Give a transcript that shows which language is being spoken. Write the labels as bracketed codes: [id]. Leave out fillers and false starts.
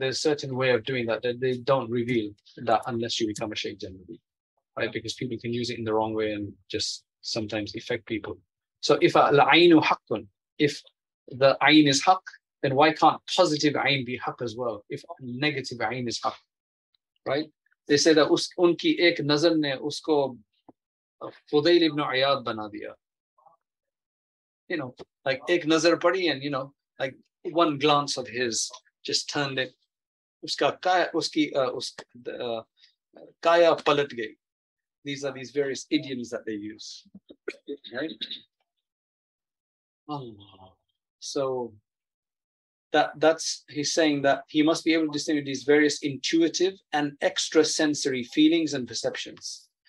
[en] There's a certain way of doing that. They don't reveal that unless you become a shaykh generally, right? Because people can use it in the wrong way and just sometimes affect people. So if al-aynu haqqun, if the ayn is haqq, then why can't positive ayn be haqq as well if negative ayn is haqq, right? They say that [hi] उनकी एक नज़र ने उसको Fudayl ibn Iyad बना दिया. [en] Like [hi] ek nazar padi, [en] and like one glance of his just turned it. [hi] उसका काया उसकी काया पलट गई. [en] These are these various idioms that they use, right? Allah. So that's he's saying that he must be able to distinguish these various intuitive and extrasensory feelings and perceptions.